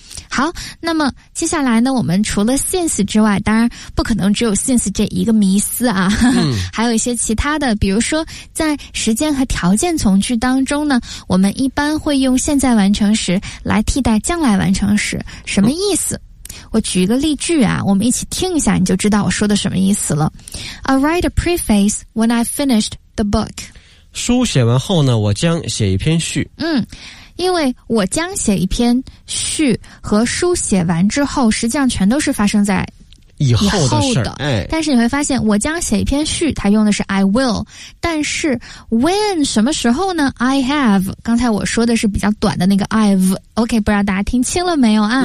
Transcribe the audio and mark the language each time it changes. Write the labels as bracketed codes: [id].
[zh] 好，那么接下来呢我们除了 since 之外，当然不可能只有 since 这一个迷思啊，还有一些其他的，比如说在时间和条件从句当中呢，我们一般会用现在完成时来替代将来完成时，什么意思。我举一个例句啊，我们一起听一下你就知道我说的什么意思了。 [en] I'll write a preface when I finished the book， [zh] 书写完后呢我将写一篇序。因为我将写一篇序和书写完之后实际上全都是发生在以后的事，但是你会发现我将写一篇序它用的是 I will， 但是 when 什么时候呢 I have， 刚才我说的是比较短的那个 I've， OK， 不知道大家听清了没有啊。